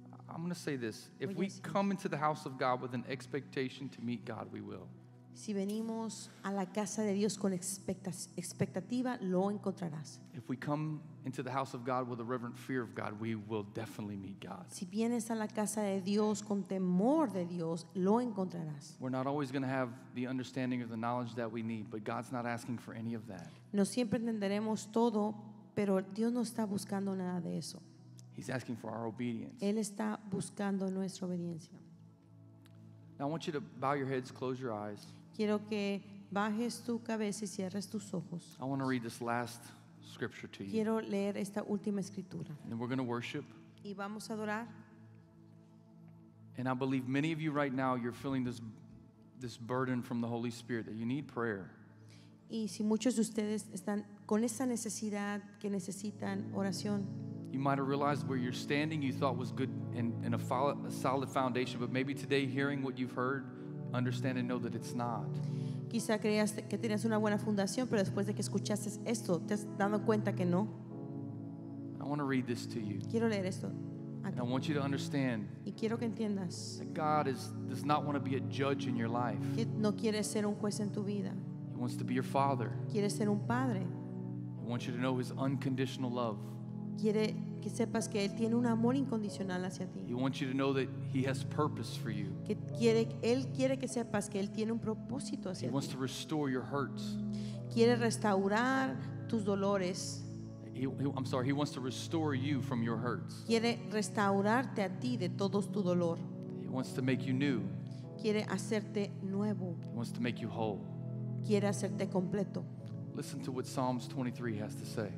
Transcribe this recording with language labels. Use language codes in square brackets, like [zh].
[en] I'm gonna say this. If we come into the house of God with an expectation to meet God, we will. [es] Si venimos a la casa de Dios con expectativa, lo encontrarás. [en] If we come into the house of God with a reverent fear of God, we will definitely meet God. [es] Si vienes a la casa de Dios con temor de Dios, lo encontrarás. [en] We're not always going to have the understanding or the knowledge that we need, but God's not asking for any of that. [es] No siempre entenderemos todo, pero Dios no está buscando nada de eso. [en] He's asking for our obedience. [es] Él está buscando nuestra obediencia. [en] Now I want you to bow your heads, close your eyes. [es] Quiero que bajes tu cabeza y cierres tus ojos. [en] I want to read this last scripture to you. [es] Quiero leer esta última escritura. [en] And then we're going to worship. [es] Y vamos a adorar. [en] And I believe many of you right now, you're feeling this burden from the Holy Spirit that you need prayer. [es] Y si muchos de ustedes están con esa necesidad que necesitan oración. [en] You might have realized where you're standing you thought was good and a solid foundation, but maybe today hearing what you've heard, understand and know that it's not. [es] Quizá creías que tenías una buena fundación, pero después de que escuchaste esto, te has dado cuenta que no. [en] I want to read this to you. [es] Quiero leer esto. [en] And I want you to understand. [es] Y quiero que entiendas. [en] That God does not want to be a judge in your life. [es] Que no quiere ser un juez en tu vida. [en] He wants to be your father. [es] Quiere ser un padre. [en] He wants you to know his unconditional love. [es] Quiere que sepas que él tiene un amor incondicional hacia ti. [en] He wants you to know that he has purpose for you. [es] Que quiere, él quiere que sepas que él tiene un propósito hacia [en] He wants to restore your hurts. [es] Quiere restaurar tus dolores. [en] He wants to restore you from your hurts. [es] Quiere restaurarte a ti de todos tu dolor. [en] He wants to make you new. [es] Quiere hacerte nuevo. [en] He wants to make you whole. [es] Quiere hacerte completo. [en] Listen to what Psalms 23 has to say.